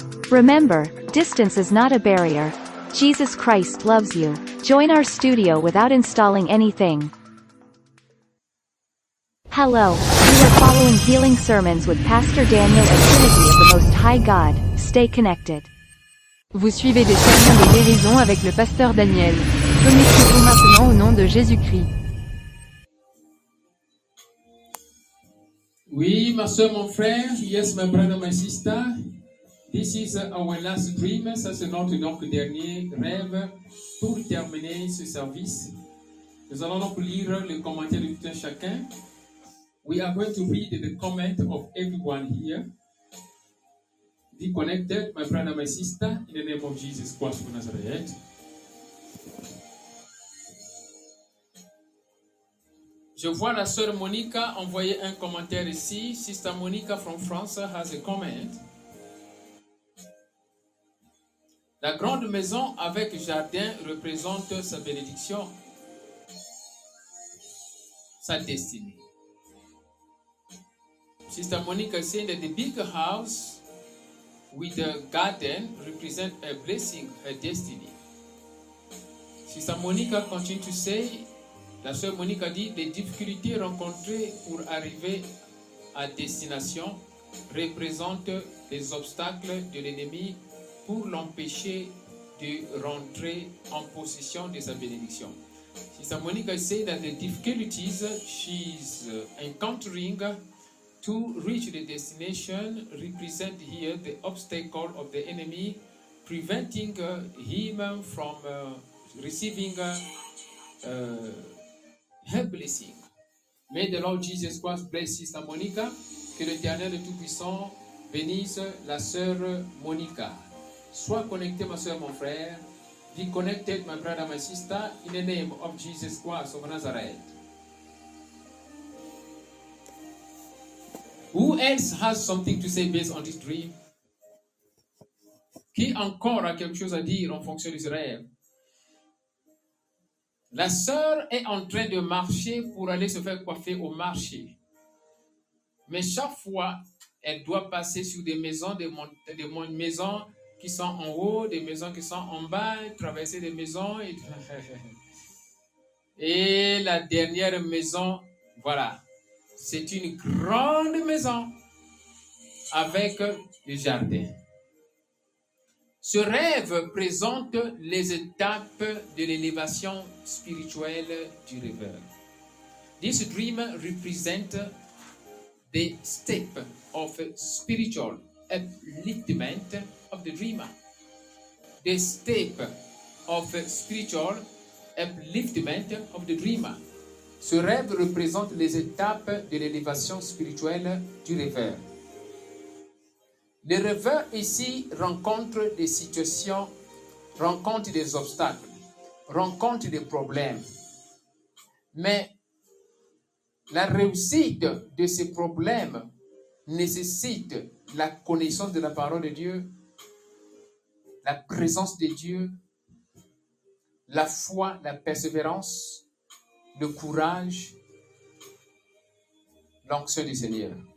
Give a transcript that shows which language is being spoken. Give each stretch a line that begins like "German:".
English: Remember, distance is not a barrier. Jesus Christ loves you. Join our studio without installing anything. Hello, you are following Healing Sermons with Pastor Daniel and Trinity of the Most High God. Stay connected.
French: Vous suivez des sermons de guérison avec le pasteur Daniel. Connectez-vous maintenant au nom de Jésus-Christ. Oui, ma soeur, mon frère.
English: Yes, my brother, my sister. This is our last dream.
French: Ça, c'est notre donc dernier rêve pour terminer ce service. Nous allons donc lire les commentaires de tout un chacun.
English: We are going to read the comment of everyone here. Be connected, my brother, my sister, in the name of Jesus Christ of Nazareth.
French: Je vois la sœur Monica envoyer un commentaire ici.
English: Sister Monica from France has a comment.
French: La grande maison avec jardin représente sa bénédiction, sa destinée.
English: Sister Monica said that the big house with a garden represents a blessing, a destiny. Sister Monica continued to say,
French: la sœur Monica dit, les difficultés rencontrées pour arriver à destination représentent les obstacles de l'ennemi pour l'empêcher de rentrer en possession de sa bénédiction.
English: Sister Monica said that the difficulties she's encountering to reach the destination represent here the obstacle of the enemy preventing him from receiving her blessing. May the Lord Jesus Christ bless Sister Monica.
French: Que l'Éternel Tout-Puissant bénisse la sœur Monica. Sois connecté, ma sœur, mon frère.
English: Be connected, my brother, my sister, in the name of Jesus Christ of Nazareth. Who else has something to say based on this dream?
French: Qui encore a quelque chose à dire en fonction d'Israël? La sœur est en train de marcher pour aller se faire coiffer au marché. Mais chaque fois, elle doit passer sur des maisons, des maisons qui sont en haut, des maisons qui sont en bas, traverser des maisons. Et la dernière maison, voilà, c'est une grande maison avec le jardin. Ce rêve présente les étapes de l'élévation spirituelle du rêveur.
English: This dream represents the step of spiritual upliftment of the dreamer. The step of spiritual upliftment of the dreamer.
French: Ce rêve représente les étapes de l'élévation spirituelle du rêveur. Le rêveur ici rencontre des situations, rencontre des obstacles, rencontre des problèmes. Mais la réussite de ces problèmes nécessite la connaissance de la parole de Dieu, la présence de Dieu, la foi, la persévérance, le courage, l'onction du Seigneur.